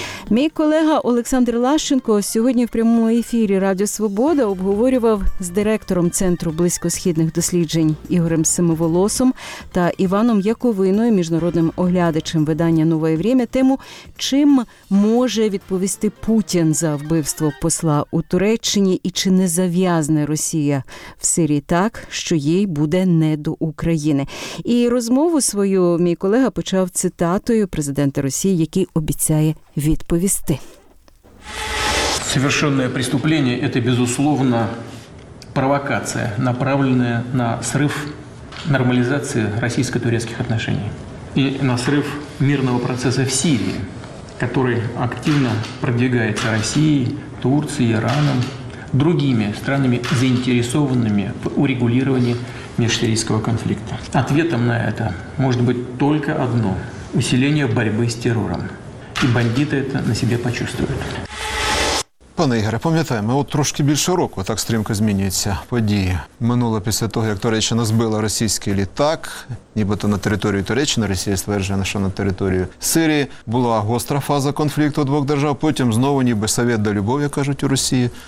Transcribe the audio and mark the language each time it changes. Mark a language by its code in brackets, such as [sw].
[uk] Мій колега Олександр Лащенко сьогодні в прямому ефірі «Радіо Свобода» обговорював з директором Центру близькосхідних досліджень Ігорем Самоволосом та Іваном Яковиною, міжнародним оглядачем видання «Нове время», тему, чим може відповісти Путін за вбивство посла у Туреччині і чи не зав'язне Росія в Сирії так, що їй буде не до України. І розмову свою мій колега почав цитатою президента Росії, який обіцяє відповісти. [ru] Совершенне преступление – это, безусловно, провокация, направленная на срыв нормализации российско-турецких отношений и на срыв мирного процесса в Сирии, который активно продвигается Россией, Турцией, Ираном, другими странами, заинтересованными в урегулировании межсирийского конфликта. Ответом на это может быть только одно – усиление борьбы с террором. [uk] І бандити це на себе почувствують. Пане Ігоре, пам'ятаємо, от трошки більше року так стрімко змінюються події. Минуло після того, як Туреччина збила російський літак, нібито на територію Туреччини, Росія стверджує, що на територію Сирії. Була гостра фаза конфлікту двох держав, потім знову ніби совєт до любові, кажуть у Росії.